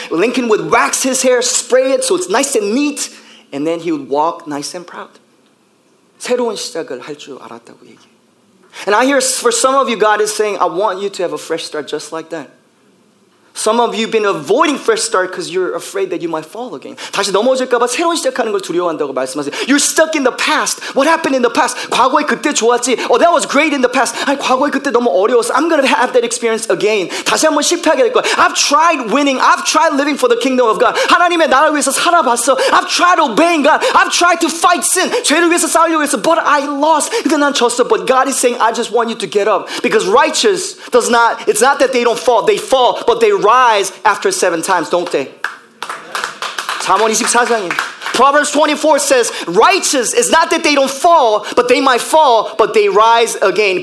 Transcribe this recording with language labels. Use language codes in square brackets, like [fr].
[en] Lincoln would wax his hair, spray it so it's nice and neat, and then he would walk nice and proud. [ko] 새로운 시작을 할 줄 알았다고 얘기해. [en] And I hear for some of you, God is saying, I want you to have a fresh start just like that. Some of you have been avoiding fresh start because you're afraid that you might fall again. [ko] 다시 넘어질까봐 새로운 시작하는 걸 두려워한다고 말씀하세요. [en] You're stuck in the past. What happened in the past? [ko] 과거에 그때 좋았지. [en] Oh, that was great in the past. [ko] 아니, 과거에 그때 너무 어려웠어. [en] I'm going to have that experience again. [ko] 다시 한번 실패하게 될 거야. [en] I've tried winning. I've tried living for the kingdom of God. [ko] 하나님의 나라를 위해서 살아봤어. [en] I've tried obeying God. I've tried to fight sin. [ko] 죄를 위해서 싸우려고 했어. [en] But I lost. [ko] 근데 난 졌어. [en] But God is saying, I just want you to get up. Because righteous does not, it's not that they don't fall. They fall, but they rise after seven times, don't they? [ko] 잠언 24장에 [en] Proverbs 24 says, righteous is not that they don't fall, but they might fall, but they rise again.